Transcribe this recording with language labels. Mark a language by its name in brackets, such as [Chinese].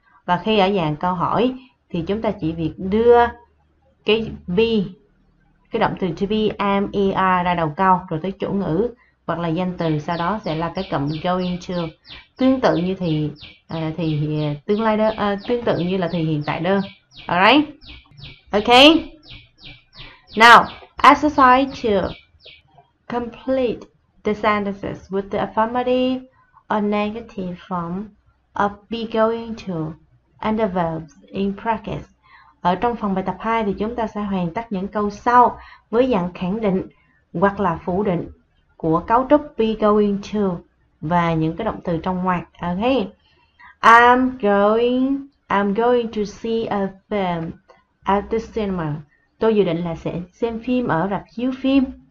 [Vietnamese] Và khi ở dạng câu hỏi thì chúng ta chỉ việc đưa cái be, cái động từ to be, am, er ra đầu câu rồi tới chủ ngữ hoặc là danh từ, sau đó sẽ là cái cụm going to. Tương tự như thì tương lai đó, tương tự như là thì hiện tại đơn. [English] Alright, okay. Now, exercise to complete the sentences with the affirmative or negative form of be going to and the verbs in practice. [Vietnamese] Ở trong phần bài tập 2 thì chúng ta sẽ hoàn tất những câu sau với dạng khẳng định hoặc là phủ định của cấu trúc be going to và những cái động từ trong ngoặc. [English] Ok. I'm going to see a film at the cinema. [Vietnamese] Tôi dự định là sẽ xem phim ở rạp chiếu phim.